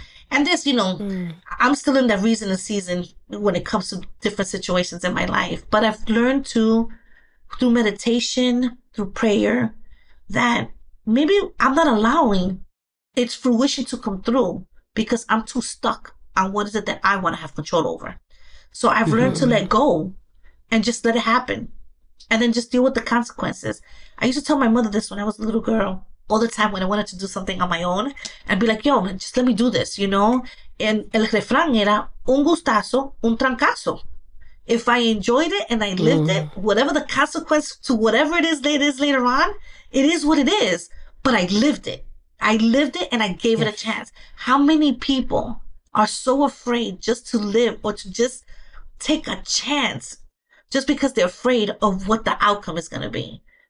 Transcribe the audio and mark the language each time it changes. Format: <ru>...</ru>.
<en>And this, you know, I'm still in that reason and season when it comes to different situations in my life, but I've learned to, through meditation, through prayer, that maybe I'm not allowing its fruition to come through because I'm too stuck on what is it that I want to have control over. So I've learned to let go and just let it happen and then just deal with the consequences. I used to tell my mother this when I was a little girl all the time when I wanted to do something on my own and be like, yo, man, just let me do this, you know?</en> <es>And el refrán era, un gustazo, un trancazo.</es> <en>If I enjoyed it and I lived it, whatever the consequence to whatever it is later on, it is what it is. But I lived it. I lived it and I gave it a chance. How many people are so afraid just to live or to just take a chance just because they're afraid of what the outcome is going to be?</en>